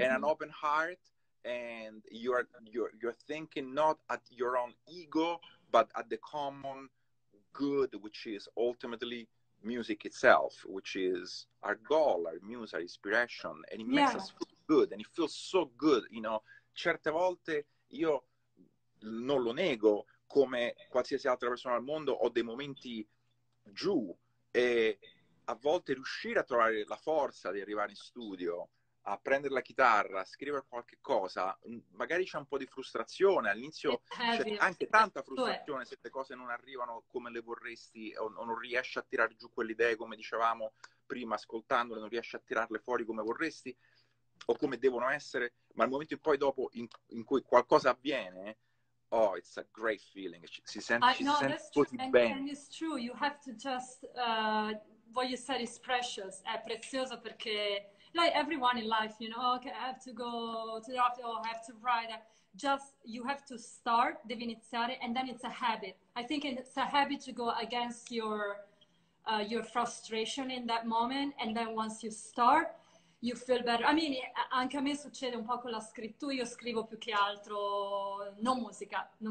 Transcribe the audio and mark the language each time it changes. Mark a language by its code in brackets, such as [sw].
[en] And an open heart, and you're thinking not at your own ego, but at the common good, which is ultimately music itself, which is our goal, our muse, our inspiration, and it makes us feel good, and it feels so good, you know. [it] Certe volte io non lo nego, come qualsiasi altra persona al mondo, ho dei momenti giù, e a volte riuscire a trovare la forza di arrivare in studio a prendere la chitarra, a scrivere qualche cosa, magari c'è un po' di frustrazione all'inizio, c'è anche tanta frustrazione se le cose non arrivano come le vorresti o non riesci a tirare giù quelle idee, come dicevamo prima, ascoltandole non riesci a tirarle fuori come vorresti o come devono essere, ma il momento in poi dopo in cui qualcosa avviene, [en] oh, it's a great feeling, [it] si sente così bene. [en] And it's true, you have to just what you said is precious, [it] è prezioso, perché [en] like everyone in life, you know, okay, I have to go to the office, or I have to write. Just, you have to start, [it] devi iniziare, [en] and then it's a habit. I think it's a habit to go against your frustration in that moment, and then once you start, you feel better. [it] I mean, anche a me succede un po' con la scrittura, io scrivo più che altro, non musica.